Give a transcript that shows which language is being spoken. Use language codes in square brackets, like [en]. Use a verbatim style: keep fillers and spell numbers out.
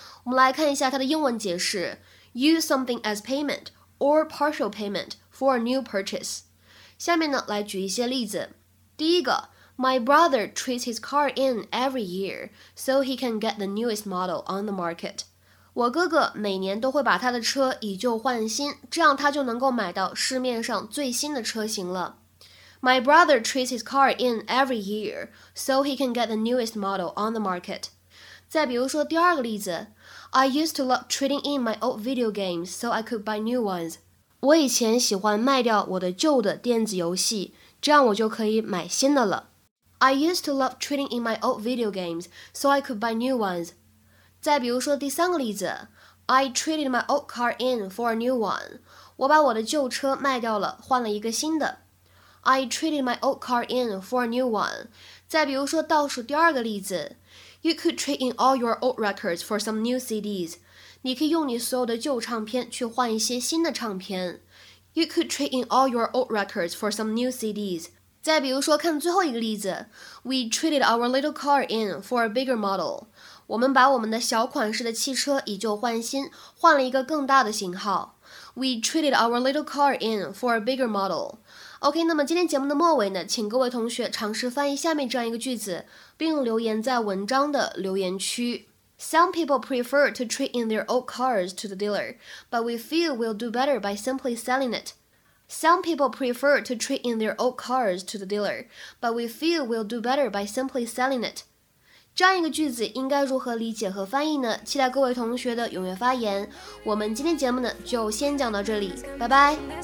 [zh] 我们来看一下它的英文解释 [en] use something as payment or partial payment for a new purchase。 [zh] 下面呢来举一些例子。第一个 [en] My brother trades his car in every year, so he can get the newest model on the market. [zh] 我哥哥每年都会把他的车以旧换新，这样他就能够买到市面上最新的车型了。 [en] My brother trades his car in every year, so he can get the newest model on the market. [zh] 再比如说第二个例子 [en] I used to love trading in my old video games, so I could buy new ones. [zh] 我以前喜欢卖掉我的旧的电子游戏，这样我就可以买新的了。 [en] I used to love trading in my old video games, so I could buy new ones. [zh] 再比如说第三个例子 [en] I traded my old car in for a new one. [zh] 我把我的旧车卖掉了，换了一个新的。 [en] I traded my old car in for a new one. [zh] 再比如说倒数第二个例子 [en] You could trade in all your old records for some new C Ds. [zh] 你可以用你所有的旧唱片去换一些新的唱片。 [en] You could trade in all your old records for some new C Ds. [zh] 再比如说看最后一个例子 [en] We traded our little car in for a bigger model. [zh] 我们把我们的小款式的汽车以旧换新，换了一个更大的型号。 [en] We traded our little car in for a bigger model. [zh] OK， 那么今天节目的末尾呢，请各位同学尝试翻译下面这样一个句子，并留言在文章的留言区。 [en] Some people prefer to trade in their old cars to the dealer, but we feel we'll do better by simply selling it. Some people prefer to trade in their old cars to the dealer, but we feel we'll do better by simply selling it. [zh] 这样一个句子应该如何理解和翻译呢？期待各位同学的踊跃发言。我们今天节目呢就先讲到这里，拜拜。